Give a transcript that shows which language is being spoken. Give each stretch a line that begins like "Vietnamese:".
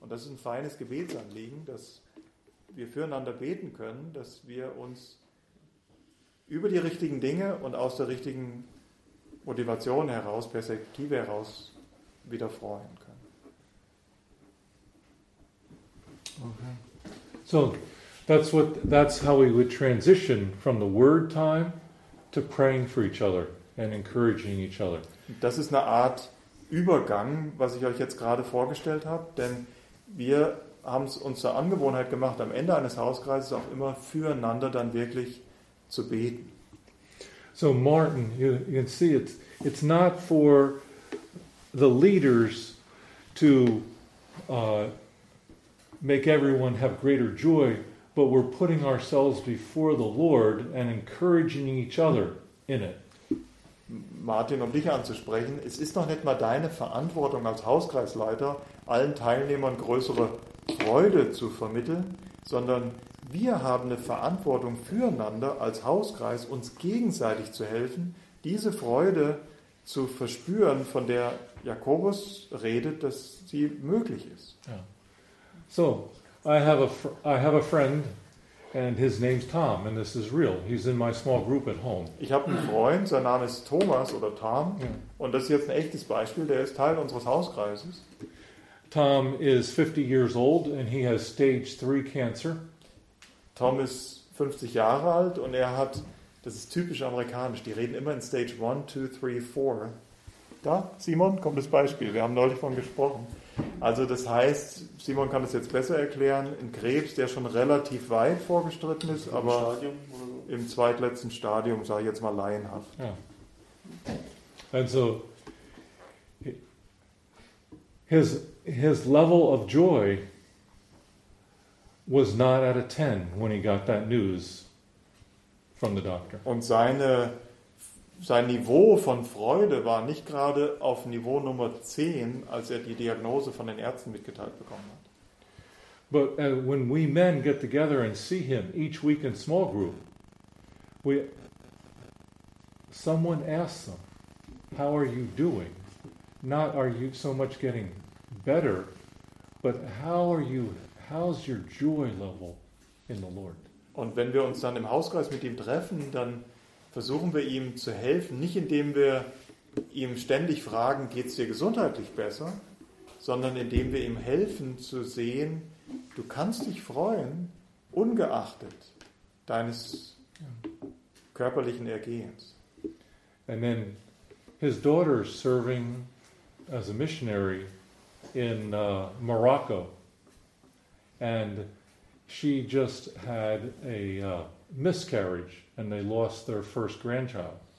German: Und das ist ein feines Gebetsanliegen, dass wir füreinander beten können, dass wir uns über die richtigen Dinge und aus der richtigen Motivation heraus, Perspektive heraus, wieder freuen können.
English: Okay. So, that's how we would transition from the word time to praying for each other and encouraging each other.
German: Das ist eine Art Übergang, was ich euch jetzt gerade vorgestellt habe, denn wir haben es uns zur Angewohnheit gemacht, am Ende eines Hauskreises auch immer füreinander dann wirklich zu beten.
English: So Martin, you can see it's not for the leaders to make everyone have greater joy, but we're putting ourselves before the Lord and encouraging each other in it.
German: Martin, um dich anzusprechen, es ist doch nicht mal deine Verantwortung als Hauskreisleiter, allen Teilnehmern größere Freude zu vermitteln, sondern wir haben eine Verantwortung füreinander als Hauskreis, uns gegenseitig zu helfen, diese Freude zu verspüren, von der Jakobus redet, dass sie möglich ist. Ja.
English: So, I have a friend and his name's Tom and this is real. He's in my small group at home.
German: Ich habe einen Freund, sein Name ist Thomas oder Tom, ja. Und das ist jetzt ein echtes Beispiel, der ist Teil unseres Hauskreises.
English: Tom is 50 years old and he has stage 3 cancer.
German: Tom ist 50 Jahre alt und er hat, das ist typisch amerikanisch, die reden immer in Stage 1, 2, 3, 4. Da, Simon, kommt das Beispiel, wir haben neulich von gesprochen. Also das heißt, Simon kann das jetzt besser erklären, ein Krebs, der schon relativ weit vorgeschritten ist, aber im zweitletzten Stadium, sage ich jetzt mal laienhaft. Ja.
English: Also, his level of joy was not at a 10 when he got that news from the doctor.
German: Und sein Niveau von Freude war nicht gerade auf Niveau Nummer 10, als er die Diagnose von den Ärzten mitgeteilt bekommen hat.
English: But when we men get together and see him each week in small group, someone asks them, how are you doing? Not are you so much getting better, but how are you? How's your joy level in the Lord?
German: Und wenn wir uns dann im Hauskreis mit ihm treffen, dann versuchen wir ihm zu helfen, nicht indem wir ihm ständig fragen, geht's dir gesundheitlich besser, sondern indem wir ihm helfen zu sehen, du kannst dich freuen, ungeachtet deines körperlichen Ergehens.
English: And then his daughter serving as a missionary in Morocco. And she just had a miscarriage and they lost their first grandchild.